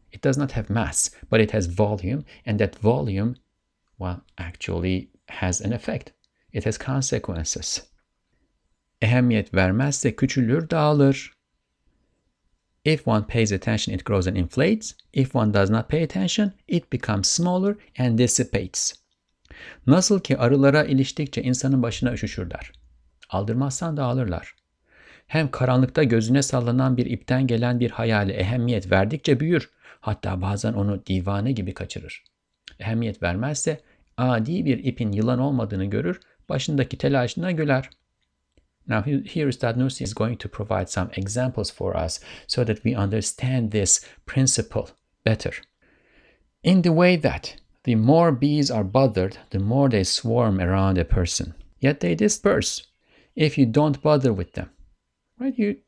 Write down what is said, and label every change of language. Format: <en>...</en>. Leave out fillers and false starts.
<en>It does not have mass, but it has volume. And that volume, well, actually has an effect. It has consequences.</en> <tr>Ehemmiyet vermezse küçülür dağılır.</tr> <en>If one pays attention, it grows and inflates. If one does not pay attention, it becomes smaller and dissipates.</en> <tr>Nasıl ki arılara iliştikçe insanın başına üşüşürler. Aldırmazsan dağılırlar. Hem karanlıkta gözüne sallanan bir ipten gelen bir hayale ehemmiyet verdikçe büyür. Hatta bazen onu divane gibi kaçırır. Ehemmiyet vermezse adi bir ipin yılan olmadığını görür, başındaki telaşına güler.</tr> <en>Now, here Ustad Nursi is going to provide some examples for us so that we understand this principle better. In the way that the more bees are bothered, the more they swarm around a person. Yet they disperse if you don't bother with them. Right?</en>